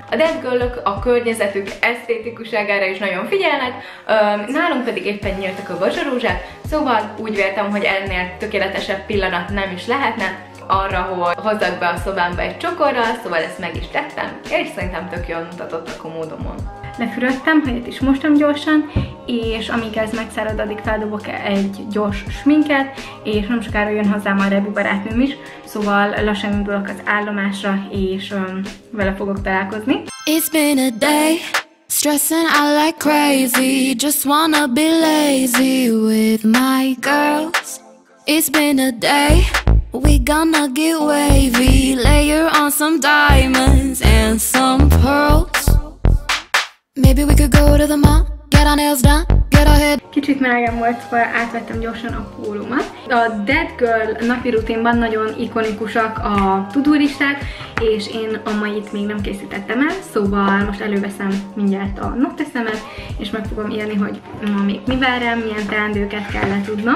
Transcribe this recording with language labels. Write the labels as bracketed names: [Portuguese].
[Hungarian] A Dead Girl-ök a környezetük esztétikuságára is nagyon figyelnek, nálunk pedig éppen nyíltak a vazsarózsák, szóval úgy véltem, hogy ennél tökéletesebb pillanat nem is lehetne, arra, hogy hozzak be a szobámba egy csokorral, szóval ezt meg is tettem, és szerintem tök jól mutatott a komódomon. Lefürödtem, hogy itt is mostam gyorsan, és amíg ez megszárad, addig feldobok egy gyors sminket, és nem sokára jön hozzám a Rebu barátnőm is, szóval lassan indulok az állomásra, és vele fogok találkozni. [English] It's been a day, stressing out like crazy, just wanna be lazy with my girls. It's been a day, we gonna get wavy, layer on some diamonds and some pearls. Maybe we could go to the mall, get our nails done, get our hair. [Hungarian] Kicsit melegem volt, szóval átvettem gyorsan a pólómat. A Dead Girl napi rutinban nagyon ikonikusak a to-do listák, és én a mait még nem készítettem el, szóval most előveszem mindjárt a noteszemet, és meg fogom írni, hogy ma még mivel rem, milyen teendőket kell letudnom.